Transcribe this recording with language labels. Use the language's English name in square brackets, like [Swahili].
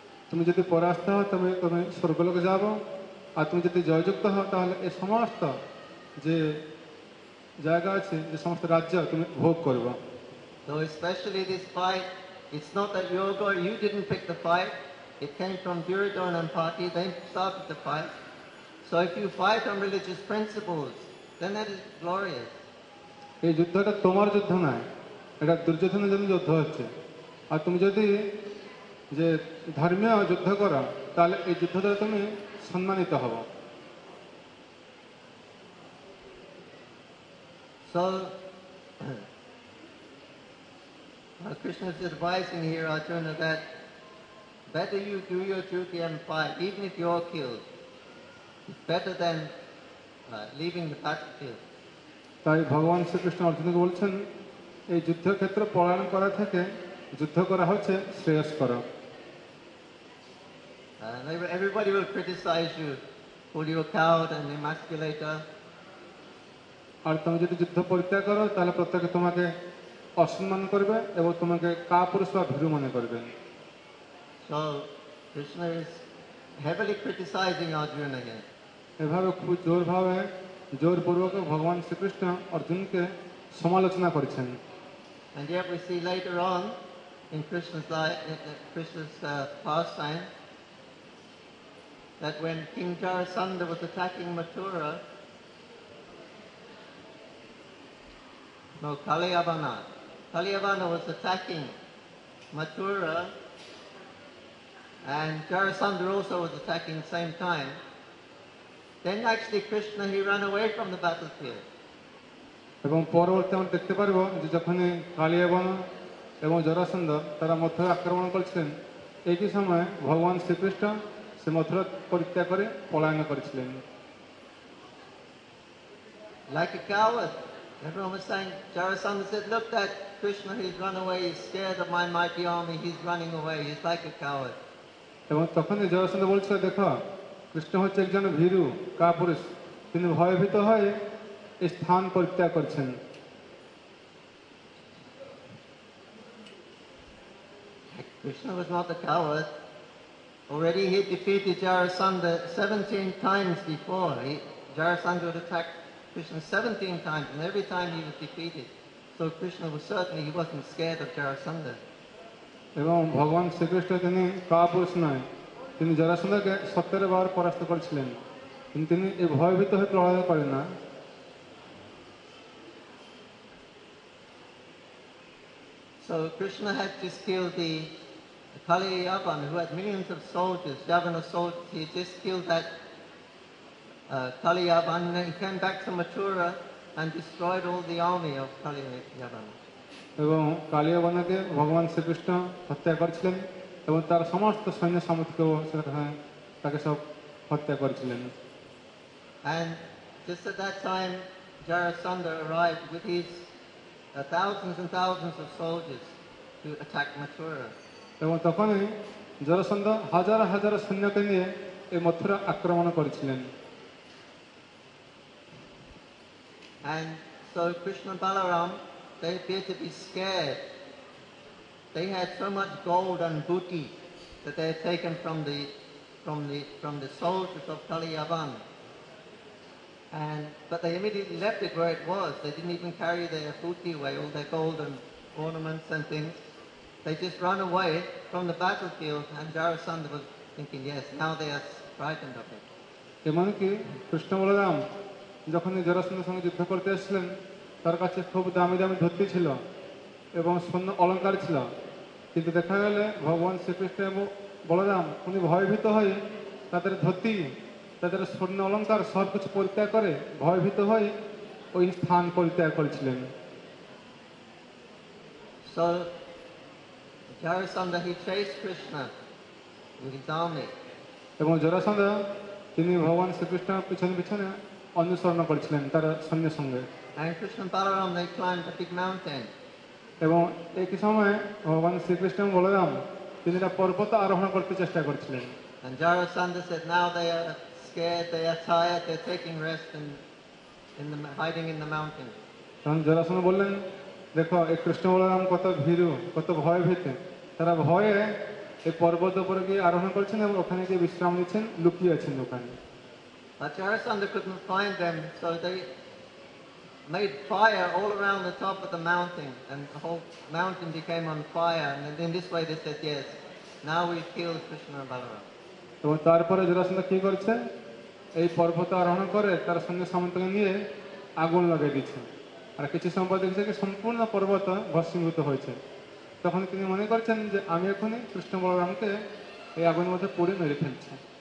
[Bangla] তুমি যদি পরাস্ত হও তবে তুমি স্বর্গলোকে যাবো, আর তুমি যদি জয়যুক্ত হও তাহলে এই সমস্ত যে জায়গা আছে যে সমস্ত রাজ্য তুমি ভোগ করবে। [English] So especially this fight, it's not that you didn't pick the fight. It came from Duryodhana and Pati. They started the fight. So if you fight on religious principles, then that is glorious. [Bangla] এই যুদ্ধটা তোমার যুদ্ধ নয়, এটা দুর্যোধনের জন্য যুদ্ধ হচ্ছে। আর তুমি যদি যে ধর্মীয় যুদ্ধ করো তাহলে এই যুদ্ধ দ্বারা তুমি সম্মানিত হবে। [English] So Krishna is advising here Arjuna that better you do your duty and fight, even if you're killed, better than leaving the battlefield. [Bangla] তাই ভগবান শ্রীকৃষ্ণ অর্জুনকে বলছেন এই যুদ্ধক্ষেত্র পলায়ন করা থেকে যুদ্ধ করা হচ্ছে শ্রেয়স্কর। [English] Everybody will criticize you, call you a coward and emasculator. [Bangla] আর তুমি যদি যুদ্ধ পরিত্যাগ করো তাহলে প্রত্যেকে তোমাকে অসম্মান করবে এবং তোমাকে কা পুরুষ বা ভীরু মনে করবে। [English] So Krishna is heavily criticizing Arjuna again. [Bangla] এভাবে খুব জোর ভাবে জোর পূর্বক ভগবান শ্রীকৃষ্ণ অর্জুনকে সমালোচনা করেছেন। [English] And yet we see later on in Krishna's pastime that when King Jarasandha was attacking Mathura, Kalyavana was attacking Mathura, and Jarasandha also was attacking at the same time. Then actually Krishna, he ran away from the battlefield. [Bangla] এবং পরবর্তী আমরা দেখতে পারব যে যখন কালিয়াবনা এবং জরাসন্ধ তারা মথুরা আক্রমণ করছিলেন একই সময় ভগবান শ্রীকৃষ্ণ সে মথুরা পরিত্যাগ করে পলায়ন করেছিলেন। [English] Like a coward. Everyone was saying, Jarasandha said, look that Krishna, he's run away, he's scared of my mighty army, he's running away, he's like a coward. [Bangla] এবং তখন জরাসন্ধ বলছিল দেখো কৃষ্ণ হচ্ছে একজন ভীরু কা পুরুষ, তিনি ভয়ভীত হয়ে স্থান পরিত্যাগ করছেন। [English] Krishna was not a coward. Already he defeated Jarasandha 17 times before. Jarasandha would attack Krishna 17 times and every time he was defeated. So Krishna was certainly, he wasn't scared of Jarasandha. [Bangla] এবং ভগবান শ্রীকৃষ্ণ তিনি কা পুরুষ নয়, তিনি জরাসন্ধকে 17 বার পরাস্ত করেছিলেন, কিন্তু তিনি এই ভয়ভীত হয়ে পলায়ন করেন না। [English] So Krishna had just killed the Kaliyavan who had millions of soldiers, Yavana soldiers. He just killed that Kaliyavan and then he came back to Mathura and destroyed all the army of Kaliyavan. [Bangla] এবং কালিয়াবনকে ভগবান শ্রীকৃষ্ণ হত্যা করেছিলেন এবং তার সমস্ত সৈন্য সামর্থ্যকে তাকে সব হত্যা করেছিলেন। [English] And just at that time Jarasandha arrived with his thousands and thousands of soldiers to attack Mathura. [Bangla] এবং তখনই জরাসন্ধ হাজার হাজার সৈন্যকে নিয়ে এই মথুরা আক্রমণ করেছিলেন। [English] And so Krishna Balaram, they appeared to be scared. They had so much gold and booty that they had taken from the soldiers of Kaliyavan. But they immediately left it where it was. They didn't even carry their booty away, all their gold and ornaments and things. They just ran away from the battlefield, and Jarasandha was thinking, yes, now they are frightened of it. [Bangla] এমনকি কৃষ্ণ বলরাম যখন জরাসন্ধের সঙ্গে যুদ্ধ করতে আসছিলেন, তার কাছে খুব দামি দামি ধুতি ছিল এবং সৈন্য অলঙ্কার ছিল, কিন্তু দেখা গেল ভগবান শ্রীকৃষ্ণ এবং বলরাম উনি ভয়ভীত হয়ে তাদের ধুতি, তাদের সৈন্য অলঙ্কার সব কিছু পরিত্যাগ করে ভয়ভীত হয়ে ওই স্থান পরিত্যাগ করেছিলেন। [English] So Jarasandha, he chased Krishna with his army. [Bangla] এবং জরাসন্ধ তিনি ভগবান শ্রীকৃষ্ণ পিছনে পিছনে অনুসরণ করেছিলেন তার সৈন্য সঙ্গে। [English] And Krishna Balaram, they climbed a big mountain. [Bangla] এবং একই সময়ে ভগবান শ্রীকৃষ্ণ বলরাম তিনি একটা পর্বত আরোহণ করতে চেষ্টা করছিলেন। [English] And Jarasandha said, now they are scared, they are tired, they are taking rest and hiding in the mountain. [Bangla] তখন জরাসন্ধ বললেন, দেখো এই কৃষ্ণ বলরাম কত ভীরু, কত ভয়ভীত, তারা ভয়ে এই পর্বত উপরে গিয়ে আরোহণ করছেন এবং ওখানে গিয়ে বিশ্রাম নিচ্ছেন, লুকিয়ে আছেন ওখানে। [English] But Jarasandha couldn't find them, so they made fire all around the top of the mountain, and the whole mountain became on fire. And in this way, they said, yes, now we've killed Krishna Balaram. [Bangla] এবং তারপরে জরাসন্ধ কি করছে, এই পর্বত আরোহণ করে তার সঙ্গে সামন্তকে নিয়ে আগুন লাগিয়ে দিচ্ছে, আর কিছু সম্পদ দেখছে যে সম্পূর্ণ পর্বত ভস্মীভূত হয়েছে। তখন তিনি মনে করছেন যে আমি এখনই কৃষ্ণ বলরামকে এই আগুনের মধ্যে পড়ে মেরে ফেলছি।